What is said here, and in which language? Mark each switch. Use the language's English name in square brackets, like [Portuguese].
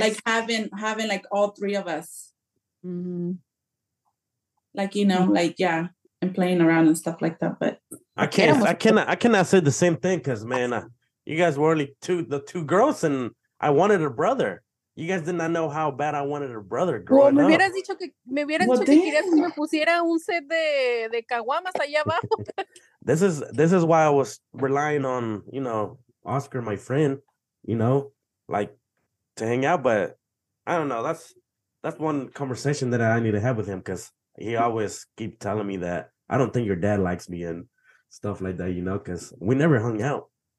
[English] Like having like all three of us. Mm-hmm. Like, you know, like, yeah. And playing around and stuff like that. But I cannot say the same thing because, man, you guys were only the two girls, and I wanted a brother. You guys did not know how bad I wanted a brother growing up. [Spanish] Me hubieras dicho que querías que me pusiera un set de caguamas allá abajo. [English] This is why I was relying on, you know, Oscar, my friend, you know, like, to hang out. But I don't know. That's one conversation that I need to have with him, because he always keep telling me that I don't think your dad likes me and stuff like that, you know, because we never hung out.